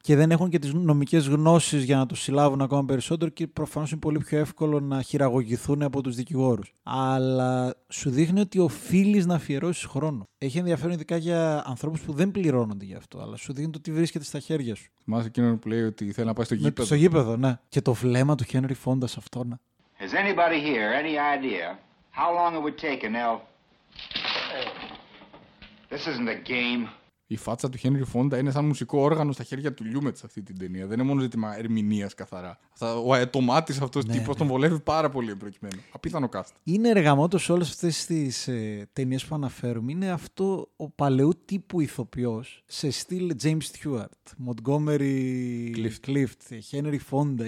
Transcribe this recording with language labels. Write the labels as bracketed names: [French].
[Greek] Και δεν έχουν και τις νομικές γνώσεις για να το συλλάβουν ακόμα περισσότερο και προφανώς είναι πολύ πιο εύκολο να χειραγωγηθούν από τους δικηγόρους. Αλλά σου δείχνει ότι οφείλεις να αφιερώσεις χρόνο. Έχει ενδιαφέρον ειδικά για ανθρώπους που δεν πληρώνονται γι' αυτό, αλλά σου δείχνει το τι βρίσκεται στα χέρια σου. Θυμάσαι εκείνον που λέει ότι θέλει να πάει στο γήπεδο. Στο γήπεδο, ναι. Και το βλέμμα του Χένρι Φόντα αυτό, να. [English] Has anybody here any idea how long it would take an elf? This isn't a game. [Greek] Η φάτσα του Χένρι Φόντα είναι σαν μουσικό όργανο στα χέρια του Λιούμετς αυτή την ταινία. Δεν είναι μόνο ζήτημα ερμηνείας καθαρά. Ο αετομάτης αυτός ναι, τύπος ναι. Τον βολεύει πάρα πολύ προκειμένου. Απίθανο cast. Είναι εργαμότος όλες αυτές τις ταινίες που αναφέρουμε. Είναι αυτό ο παλαιού τύπου ηθοποιός σε στυλ James Stewart, Montgomery Clift, Χένρι Φόντα.